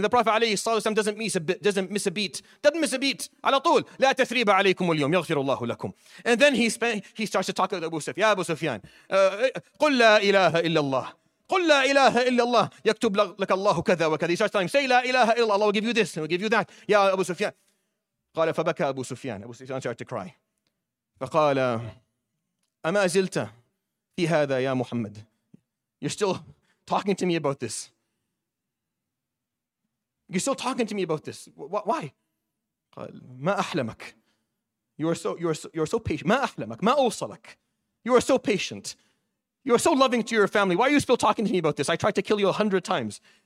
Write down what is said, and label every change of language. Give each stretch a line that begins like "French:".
English: The Prophet alayhi salam doesn't miss a beat.
Arabic: "Ala tul, la tathriba alaykum al-yawm, yaghfiru Allahu lakum."
English: And then he starts to talk to Abu Sufyan.
Arabic: "Ya Abu Sufyan, qul la ilaha illallah. قل لا إله إلا الله يكتب لك الله كذا وكذا."
English: He starts telling him, "Say la ilaha illallah, Allah will give you this and will give you that."
Arabic: "Ya Abu Sufyan." قال فبكى أبو سفيان.
English: Abu Sufyan started to cry.
Arabic: فقال أما زلت في هذا يا محمد.
English: You're still talking to me about this? You're still talking to me about this. Why?
Arabic: قال ما أحلمك.
English: You are so patient.
Arabic: ما أحلمك. ما أوصلك.
English: You are so patient. You are so loving to your family. Why are you still talking to me about this? I tried to kill you 100 times.